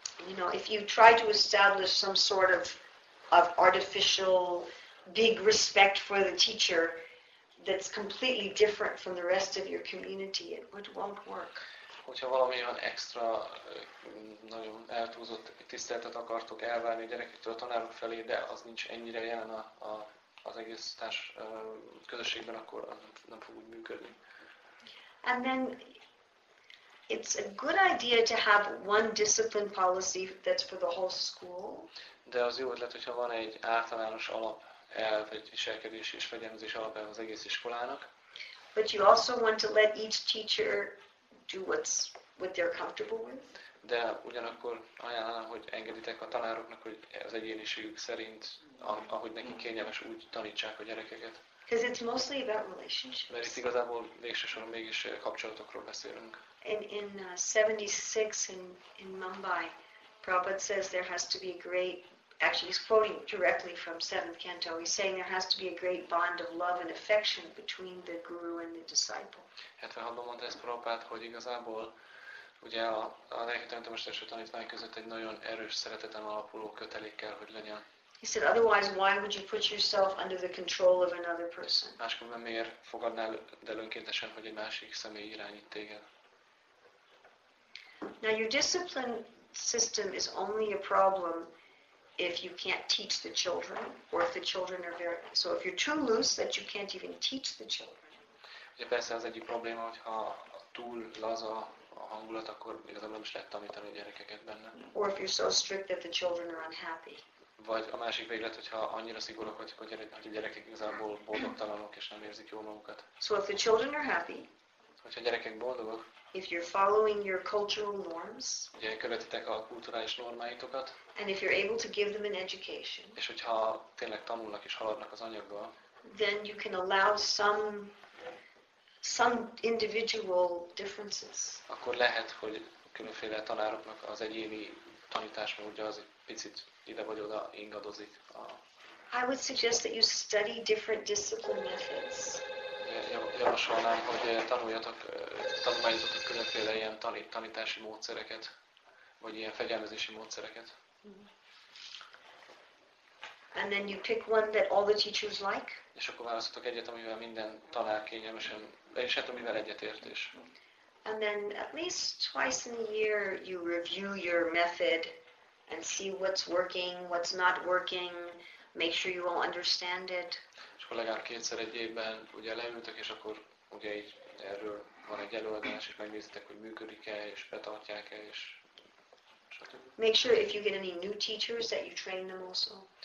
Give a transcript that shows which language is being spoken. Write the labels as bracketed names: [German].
[English] You know, if you try to establish some sort of artificial big respect for the teacher, that's completely different from the rest of your community, it won't work. [Hungarian] Hogyha valami olyan extra, nagyon eltúlzott tiszteletet akartok elvárni a gyerekektől a tanárok felé, de az nincs ennyire jelen az egész társ közösségben, akkor nem fog úgy működni. [English] And then it's a good idea to have one discipline policy that's for the whole school. [Hungarian] De az jó ötlet, hogyha van egy általános alap elv, egy viselkedés és fegyelmezés alapelv az egész iskolának. [English] But you also want to let each teacher do what they're comfortable with. [Hungarian] De ugyanakkor ajánlom, hogy engeditek a tanároknak, hogy az egyéniségük szerint, ahogy neki kényelmes, úgy tanítsák a gyerekeket. [English] Because it's mostly about relationships. [Hungarian] Mert itt igazából végsősorban mégis kapcsolatokról beszélünk. [English] In 76 in Mumbai, Prabhupada says there has to be a great, actually he's quoting directly from 7th canto, he's saying there has to be a great bond of love and affection between the guru and the disciple. [Hungarian] 76-ban mondta ezt Prabhupada, hogy igazából ugye a lelkitanító mester és a tanítvány között egy nagyon erős szereteten alapuló kötelék kell, hogy legyen. [English] He said, otherwise, why would you put yourself under the control of another person? [Hungarian] Máskülönben miért fogadnál, de önkéntesen, hogy egy másik személy irányít téged? [English] Now, your discipline system is only a problem if you can't teach the children, or if the children are very... So if you're too loose that you can't even teach the children. [Hungarian] Ugye persze az egyik probléma, hogyha túl laza a hangulat, akkor igazából nem is lehet tanítani a gyerekeket benne. [English] Or if you're so strict that the children are unhappy. [Hungarian] Vagy a másik véglet, hogyha annyira szigorúak, hogy a gyerekek igazából boldogtalanok és nem érzik jól magukat. [English] So if the children are happy, [Hungarian] hogyha a gyerekek boldogok, [English] if you're following your cultural norms, [Hungarian] ugye követitek a kulturális normáitokat, [English] and if you're able to give them an education, [Hungarian] és hogyha tényleg tanulnak és haladnak az anyaggal, [English] then you can allow some individual differences. [Hungarian] Akkor lehet, hogy különféle tanároknak az egyéni tanítás, mert ugye az egy picit ide vagy oda ingadozik. [English] I would suggest that you study different discipline methods. [Hungarian] Javasolnám, hogy tanuljatok különféle ilyen tanítási módszereket, vagy ilyen fegyelmezési módszereket. [English] And then you pick one that all the teachers like. [Hungarian] És akkor választotok egyet, amivel minden tanár kényelmesen, és hát amivel egyetért is. [English] And then at least twice in a year you review your method and see what's working, what's not working, make sure you all understand it. [Hungarian] És akkor legalább kétszer egy évben ugye leültök, és akkor ugye így erről van egy előadás, és megnézitek, hogy működik-e, és betartják-e, és [English] make sure if you get any new teachers that you train them also.